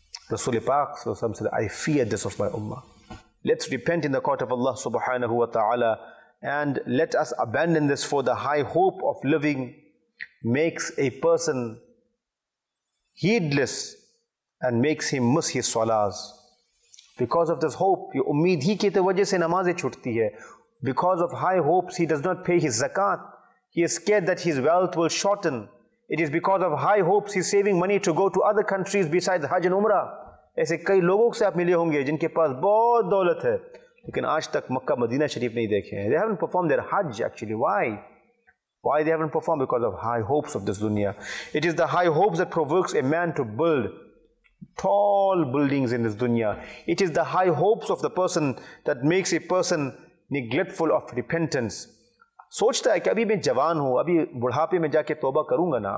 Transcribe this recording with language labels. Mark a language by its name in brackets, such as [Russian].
[English] Rasulullah Pak sallallahu alayhi wa sallam said, I fear this of my ummah. Let's repent in the court of Allah subhanahu wa ta'ala, and let us abandon this, for the high hope of living makes a person heedless and makes him miss his salahs. Because of this hope, [Hindi] ye ummeed hi ke tawajjuh se namazein chhutti hai. [English] Because of high hopes, he does not pay his zakat. He is scared that his wealth will shorten. It is because of high hopes he is saving money to go to other countries besides Hajj and Umrah. [Hindi] ऐसे कई लोगों से आप मिले होंगे जिनके पास बहुत दौलत है लेकिन आज तक मक्का मदीना शरीफ नहीं देखे हैं. [English] They haven't performed their Hajj actually. Why? Why they haven't performed? Because of high hopes of this dunya. It is the high hopes that provokes a man to build tall buildings in this dunya. It is the high hopes of the person that makes a person neglectful of repentance. [Hindi] सोचता है कि अभी मैं जवान हूँ, अभी बुढ़ापे में जाके तौबा करूँगा ना.